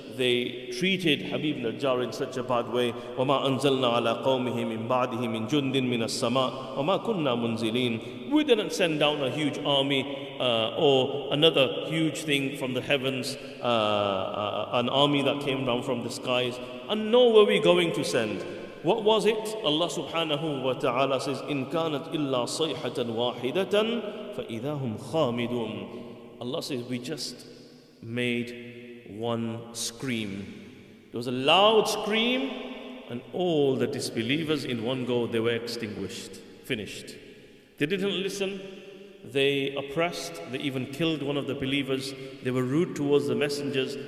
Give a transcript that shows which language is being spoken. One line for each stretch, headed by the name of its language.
English: They treated Habib Najjar in such a bad way.
Arabic: وَمَا أَنزَلْنَا عَلَىٰ قَوْمِهِ مِنْ بَعْدِهِ مِنْ جُنْدٍ مِنَ السَّمَاءِ وَمَا كُنَّا مُنزِلِينَ.
English: We didn't send down a huge army or another huge thing from the heavens, an army that came down from the skies. And nor were we going to send. What was it? Allah subhanahu wa ta'ala says,
Arabic: إِنْ كَانَتْ إِلَّا صَيْحَةً وَاحِدَةً فَإِذَا هُمْ خَامِدُونَ.
English: Allah says, we just made one scream. There was a loud scream and all the disbelievers in one go, they were extinguished, finished. They didn't listen. They oppressed. They even killed one of the believers. They were rude towards the messengers.